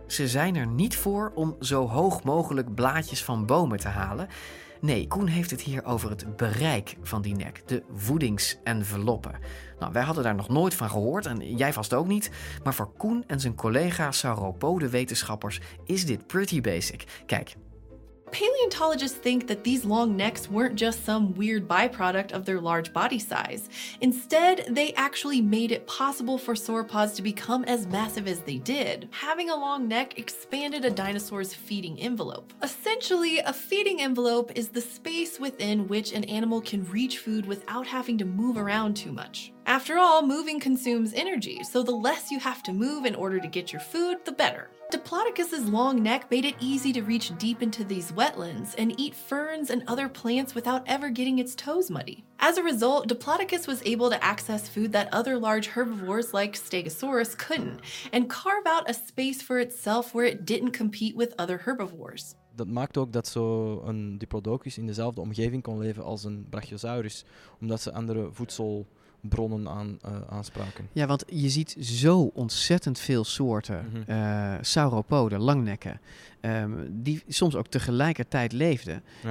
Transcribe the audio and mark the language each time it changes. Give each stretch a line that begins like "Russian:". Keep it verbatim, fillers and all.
Dutch: Ze zijn er niet voor om zo hoog mogelijk blaadjes van bomen te halen. Nee, Koen heeft het hier over het bereik van die nek, de voedingsenveloppen. Nou, wij hadden daar nog nooit van gehoord en jij vast ook niet. Maar voor Koen en zijn collega sauropoden-wetenschappers is dit
English: pretty basic.
Dutch: Kijk.
English: Paleontologists think that these long necks weren't just some weird byproduct of their large body size. Instead, they actually made it possible for sauropods to become as massive as they did. Having a long neck expanded a dinosaur's feeding envelope. Essentially, a feeding envelope is the space within which an animal can reach food without having to move around too much. After all, moving consumes energy, so the less you have to move in order to get your food, the better. Diplodocus's long neck made it easy to reach deep into these wetlands and eat ferns and other plants without ever getting its toes muddy. As a result, Diplodocus was able to access food that other large herbivores like Stegosaurus couldn't, and carve out a space for itself where it didn't compete with other herbivores.
Dutch: Dat maakt ook dat zo'n Diplodocus in dezelfde omgeving kon leven als een Brachiosaurus, omdat ze andere voedsel... bronnen aan, uh, aanspraken. Ja, want je ziet zo ontzettend veel soorten mm-hmm. uh, sauropoden, langnekken, um, die soms ook tegelijkertijd leefden. Ja.